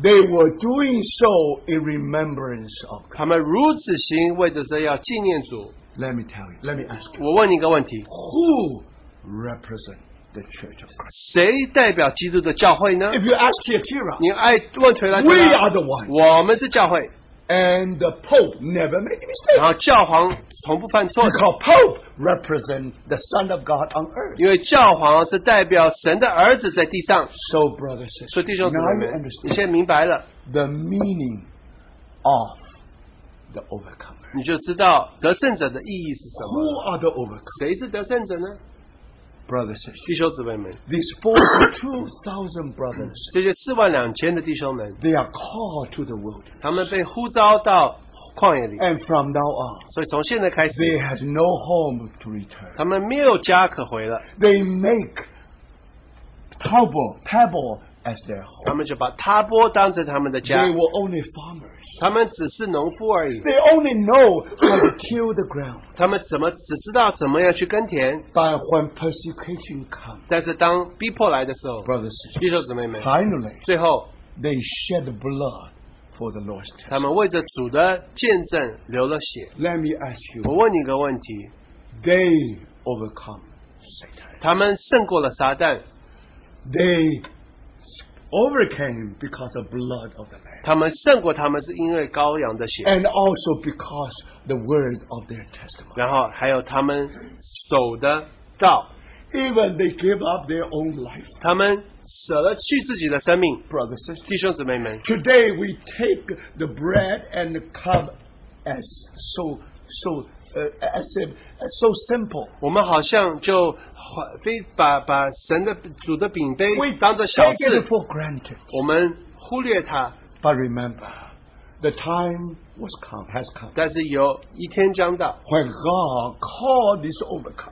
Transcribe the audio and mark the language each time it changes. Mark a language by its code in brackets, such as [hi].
[en] they were doing so in remembrance of God. [zh] 他们如此行为的是要纪念主。 [en] Let me tell you, let me ask you, [zh] 我问你一个问题， [en] Who represents the church of Christ? [zh] 谁代表基督的教会呢？ [en] If you ask Tiatira, [zh] 你爱问推拉， [en] We are the one, [zh] 我们是教会。 [en] And the Pope never made a mistake, [zh] 然后教皇从不犯错。 [en] Because Pope represents the Son of God on earth, [zh] 因为教皇是代表神的儿子在地上。 [en] So brothers and sisters, [zh] 所以弟兄姊妹们， [en] Now you understand, [zh] 你明白了 [en] The meaning of the overcomer. [zh] 你就知道得胜者的意义是什么。 [en] Who are the overcomers? [zh] 谁是得胜者呢？ [en] Brothers and sisters, [zh] 弟兄姊妹们， [en] these 42,000 brothers, [zh] 这些四万两千的弟兄们， [en] they are called to the wilderness. [zh] 他们被呼召到旷野里。 [en] And from now on, [zh] 所以从现在开始， [en] they have no home to return. [zh] 他们没有家可回了。 [en] They make table. As their home. [zh] 他们就把塔波当成他们的家。 [en] They were only farmers. [zh] 他们只是农夫而已。 [en] They only know how to till the ground. [zh] 他们怎么只知道怎么样去耕田。 [en] But when persecution comes, [zh] 但是当逼迫来的时候， [en] brothers, [zh] 弟兄姊妹们， [en] finally, [zh] 最后， [en] they shed blood for the Lord's sake. [zh] 他们为着主的见证流了血。 [en] Let me ask you, [zh] 我问你一个问题。 [en] They overcome Satan. [zh] 他们胜过了撒旦。 [en] They overcame because of the blood of the Lamb. [zh] 他们胜过他们是因为羔羊的血。 [en] And also because the word of their testimony. [zh] 然后还有他们守的道。 [en] Even they give up their own life. [zh] 他们舍了去自己的生命。 [en] Brothers and sisters, [zh] 弟兄姊妹们。 [en] Today we take the bread and the cup as so simple. [zh] 我们好像就非把神的主的饼杯当作小事， [en] take it for granted. [zh] 我们忽略它。 [en] But remember, the time has come. [zh] 但是有一天将到。 [en] When God called this overcome,